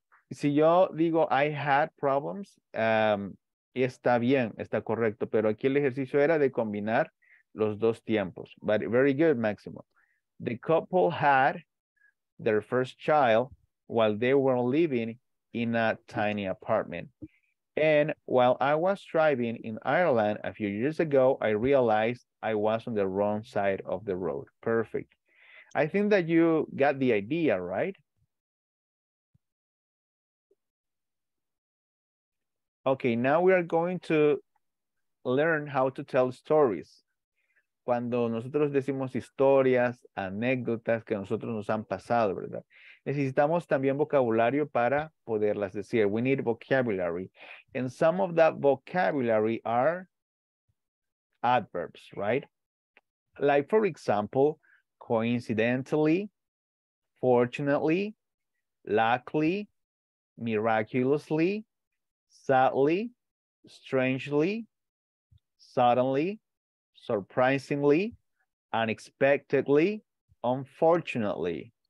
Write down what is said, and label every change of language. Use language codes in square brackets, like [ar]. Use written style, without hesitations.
[es] Si yo digo [en] I had problems, [es] está bien, está correcto, pero aquí el ejercicio era de combinar los dos tiempos. [en] But very good, Maximo. The couple had their first child while they were living in a tiny apartment. And while I was driving in Ireland a few years ago, I realized I was on the wrong side of the road. Perfect. I think that you got the idea, right? Okay, now we are going to learn how to tell stories. [es] Cuando nosotros decimos historias, anécdotas que a nosotros nos han pasado, ¿verdad? Necesitamos también vocabulario para poderlas decir. [en] We need vocabulary. And some of that vocabulary are adverbs, right? Like, for example, coincidentally, fortunately, luckily, miraculously, sadly, strangely, suddenly, surprisingly, unexpectedly, unfortunately.